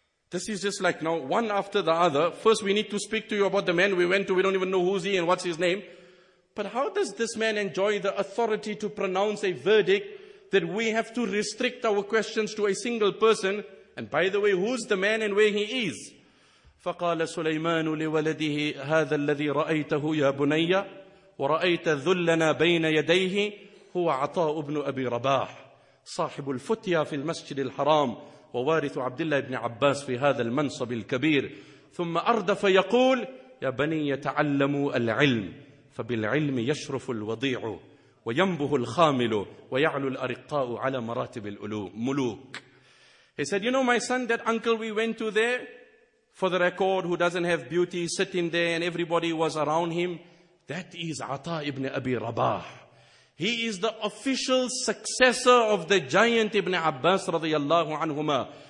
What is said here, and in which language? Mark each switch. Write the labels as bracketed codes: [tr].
[en] This is just like now, one after the other. First we need to speak to you about the man we went to, we don't even know who's he and what's his name. But how does this man enjoy the authority to pronounce a verdict that we have to restrict our questions to a single person? And by the way, who's the man and where he is? [ar] فَقَالَ سُلَيْمَانُ لِوَلَدِهِ هَذَا الَّذِي رَأَيْتَهُ يَا بُنَيَّ وَرَأَيْتَ ذُلَّنَا بَيْنَ يَدَيْهِ هُوَ عَطَاءُ بْنُ أَبِي رَبَاحِ صاحب الفتية في المسجد الحرام ووارث عبد الله بن عباس في هذا المنصب الكبير ثم أردف يقول يا بني يتعلموا العلم فبالعلم يشرف الوضيع وينبه الخامل ويعلو الأرقاء على مراتب الملوك. [en] He said, you know my son, that uncle we went to there, for the record, who doesn't have beauty, sitting there and everybody was around him, that is Ata ibn Abi Rabah. He is the official successor of the giant Ibn Abbas radiyallahu anhuma.